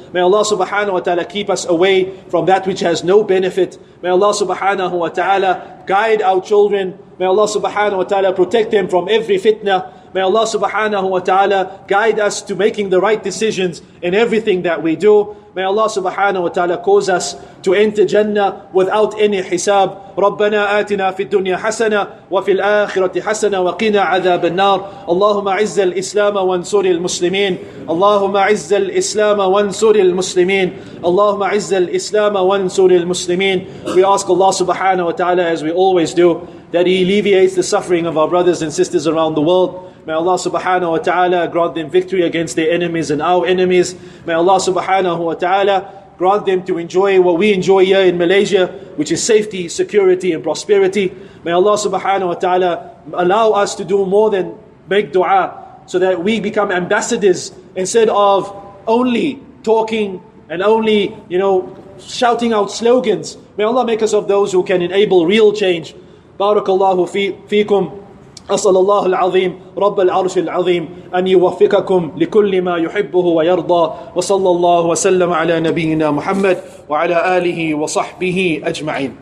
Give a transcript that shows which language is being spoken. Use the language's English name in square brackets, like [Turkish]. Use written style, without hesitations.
[English] May Allah subhanahu wa ta'ala keep us away from that which has no benefit. May Allah subhanahu wa ta'ala guide our children. May Allah subhanahu wa ta'ala protect them from every fitna. May Allah subhanahu wa ta'ala guide us to making the right decisions in everything that we do. May Allah subhanahu wa ta'ala cause us to enter Jannah without any hisab. [Arabic] ربنا آتنا في الدنيا حسنة وفي الآخرة حسنة وقنا عذاب النار. اللهم عز الإسلام وانصر المسلمين. اللهم عز الإسلام وانصر المسلمين. اللهم عز الإسلام وانصر المسلمين. [English] We ask Allah subhanahu wa ta'ala, as we always do, that He alleviates the suffering of our brothers and sisters around the world. May Allah subhanahu wa ta'ala grant them victory against their enemies and our enemies. May Allah subhanahu wa ta'ala grant them to enjoy what we enjoy here in Malaysia, which is safety, security and prosperity. May Allah subhanahu wa ta'ala allow us to do more than make dua. so that we become ambassadors instead of only talking and only, you know, shouting out slogans. May Allah make us of those who can enable real change. [Arabic] Barakallahu feekum. أصلى الله العظيم رب العرش العظيم أن يوفقكم لكل ما يحبه ويرضى وصلى الله وسلم على نبينا محمد وعلى آله وصحبه أجمعين.